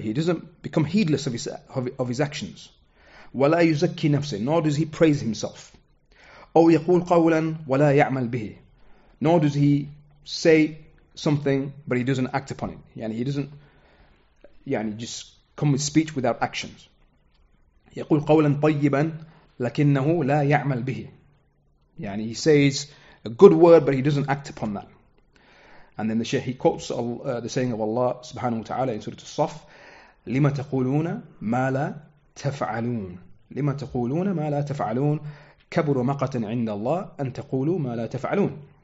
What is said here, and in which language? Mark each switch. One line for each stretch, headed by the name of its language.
English: He doesn't become heedless of his actions.
Arabic: ولا يزكي نفسه.
English: Nor does he praise himself.
Arabic: أو يقول قولا ولا يعمل به.
English: Nor does he say something, but he doesn't act upon it. يعني he doesn't just come with speech without actions.
Arabic: يقول قولا طيبا لكنه لا يعمل به.
English: يعني he says a good word, but he doesn't act upon that. And then the Shaykh, he quotes the saying of Allah subhanahu wa ta'ala in Surah As-Saff,
Arabic: لِمَ تَقُولُونَ مَا لَا تَفْعَلُونَ لِمَ تَقُولُونَ مَا لَا تَفْعَلُونَ كَبُرُ مَقَةً عِنْدَ اللَّهِ أَن تَقُولُوا مَا لَا تَفْعَلُونَ.